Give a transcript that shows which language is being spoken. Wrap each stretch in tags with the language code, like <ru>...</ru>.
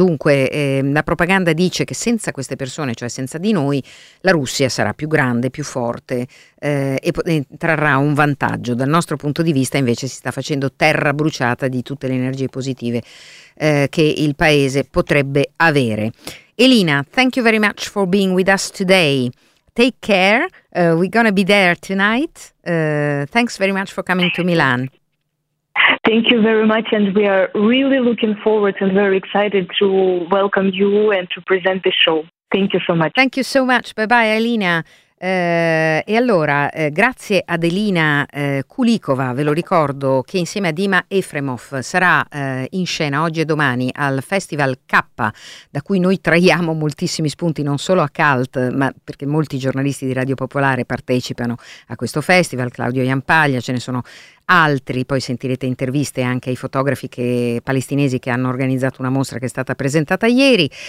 <it>Dunque la propaganda dice che senza queste persone, cioè senza di noi, la Russia sarà più grande, più forte e trarrà un vantaggio. Dal nostro punto di vista invece si sta facendo terra bruciata di tutte le energie positive che il paese potrebbe avere.</it> <en>Elina, thank you very much for being with us today. Take care, we're gonna be there tonight. Thanks very much for coming to Milan. Thank you very much, and we are really looking forward and very excited to welcome you and to present the show. Thank you so much. Thank you so much. Bye bye, Elina.</en> <it>E allora, grazie ad Elina Kulikova, ve lo ricordo, che insieme a Dima Efremov sarà in scena oggi e domani al Festival K, da cui noi traiamo moltissimi spunti, non solo a Cult, ma perché molti giornalisti di Radio Popolare partecipano a questo festival, Claudio Iampaglia, ce ne sono altri, poi sentirete interviste anche ai fotografi palestinesi che hanno organizzato una mostra che è stata presentata ieri.</it>